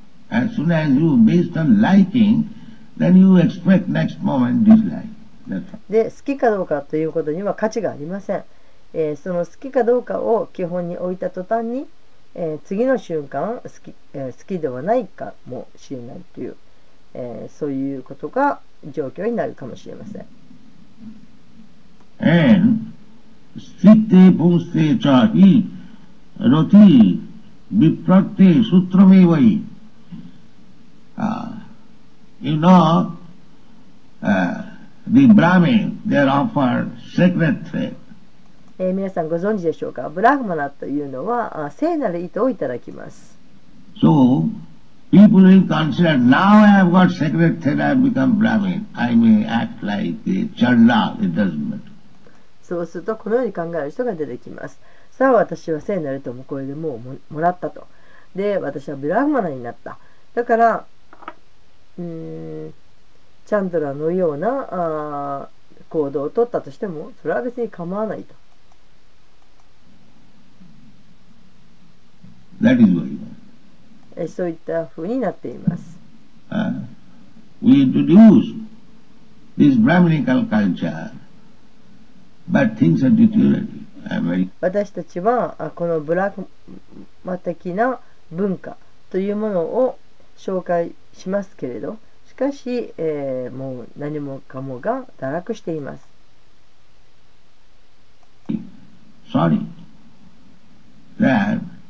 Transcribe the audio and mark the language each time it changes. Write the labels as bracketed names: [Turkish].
[English] As soon as you based on liking, then you expect next moment dislike. [Japanese] で、好きかどうかということには価値がありません。その好きかどうかを基本に置いた途端に、次の瞬間好きではないかもしれないという。そういうことが状況になるかもしれません。 And sthite bhuste chahi roti viprate sutramevai. [English] You know, the Brahmin, they are offered sacred thread. [Japanese] 皆さんご存知でしょうか。ブラフマナというのは聖なる糸をいただきます。 [English] So. People will consider, now I have got sacred thread, I have become Brahmin. I may act like a Chala, it doesn't matter. [Japanese] そうするとこのように考える人が出てきます。さあ私は聖なる糸もこれでもうもらったと。で、私はブラフマナになった。だから、チャンドラのような行動を取ったとしても、それは別に構わないと。 [English] That is why. [Japanese] そういったふうになっています。 [English] We introduce this Brahminical culture, but things are deteriorating. [Japanese] 私たちはこのブラフマ的な文化というものを紹介しますけれど、しかし、もう何もかもが堕落しています。 [English] Sorry. That.